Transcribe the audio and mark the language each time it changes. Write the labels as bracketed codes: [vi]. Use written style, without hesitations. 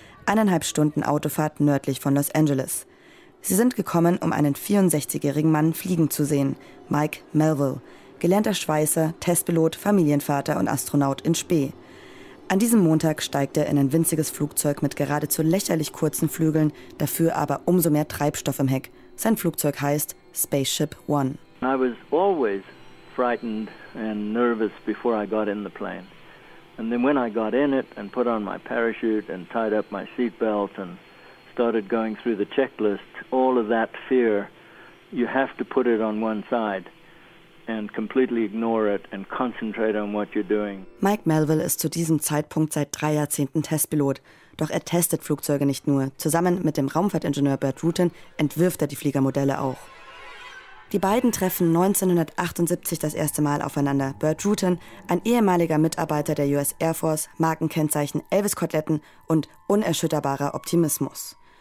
[de] 1,5 Stunden Autofahrt nördlich von Los Angeles. Sie sind gekommen, um einen 64-jährigen Mann fliegen zu sehen, Mike Melville. Gelernter Schweißer, Testpilot, Familienvater und Astronaut in spe. An diesem Montag steigt er in ein winziges Flugzeug mit geradezu lächerlich kurzen Flügeln, dafür aber umso mehr Treibstoff im Heck. Sein Flugzeug heißt Spaceship One. [en] I was always frightened and nervous before I got in the plane. And then when I got in it and put on my parachute and tied up my seatbelt and started going through the checklist, all of that fear, you have to put it on one side. And completely ignore it and concentrate on what you're doing. [de] Mike Melville ist zu diesem Zeitpunkt seit 3 Jahrzehnten Testpilot. Doch er testet Flugzeuge nicht nur. Zusammen mit dem Raumfahrtingenieur Bert Rutan entwirft er die Fliegermodelle auch. Die beiden treffen 1978 das erste Mal aufeinander. Bert Rutan, ein ehemaliger Mitarbeiter der US Air Force, Markenkennzeichen Elvis-Koteletten und unerschütterbarer Optimismus.